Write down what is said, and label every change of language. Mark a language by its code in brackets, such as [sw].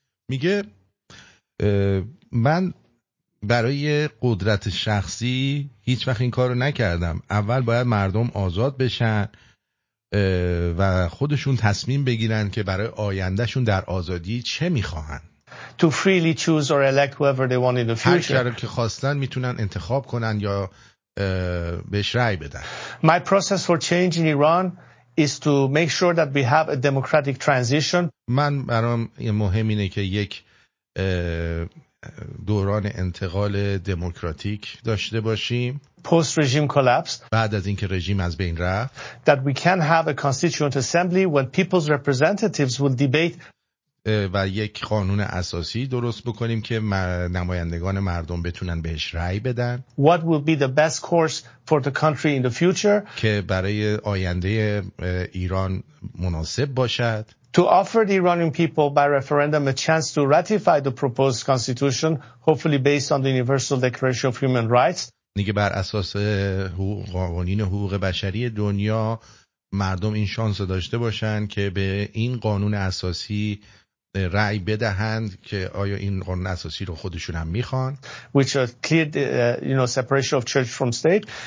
[fa] میگه من برای قدرت شخصی هیچ وقت این کارو نکردم. اول باید مردم آزاد بشن و خودشون تصمیم بگیرن که برای آیندهشون در آزادی چه میخواهن. [en] To freely choose or elect whoever they want in the future. [fa] هر کی که خواستن میتونن انتخاب کنن یا بهش رأی بدن. [en] My process for change in Iran is to make sure that we have a democratic transition. [fa] من برام مهم اینه که یک دوران انتقال دموکراتیک داشته باشیم. [en] Post regime collapse. [fa] بعد از اینکه رژیم از بین رفت. [en] That we can have a constituent assembly when people's representatives will debate. [fa] و یک قانون اساسی درست بکنیم که نمایندگان مردم بتونن بهش رأی بدن. [en] What will be the best course for the country in the future? [fa] که برای آینده ایران مناسب باشد. [en] To offer the Iranian people by referendum a chance to ratify the proposed constitution, hopefully based on the Universal Declaration of Human Rights. [fa] نگه بر اساس قوانین حقوق بشری دنیا مردم این شانس داشته باشند که به این قانون اساسی رأی بدهند که آیا این قانون اساسی رو خودشون هم میخوان. [en] Which are clear, you know, separation of church from state.